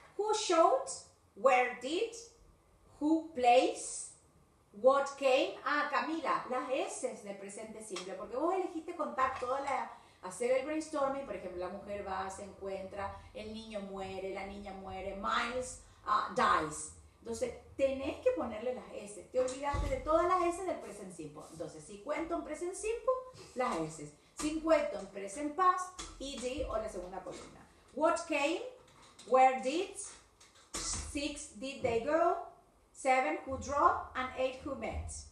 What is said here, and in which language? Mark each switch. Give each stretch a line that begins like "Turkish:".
English: Who showed, where did, who plays, what came.
Spanish: Ah, Camila, las S del presente simple, porque vos elegiste contar toda la, hacer el brainstorming, por ejemplo, la mujer va, se encuentra, el niño muere, la niña muere,
English: Miles dies.
Spanish: Entonces, tenés que ponerle las S, te olvidaste de todas las S del present simple. Entonces, si cuento en present simple, las S. Si cuento en present past, ed o la segunda columna.
English: What came. Where did, 6, did they go, 7, who drove, and 8, who met.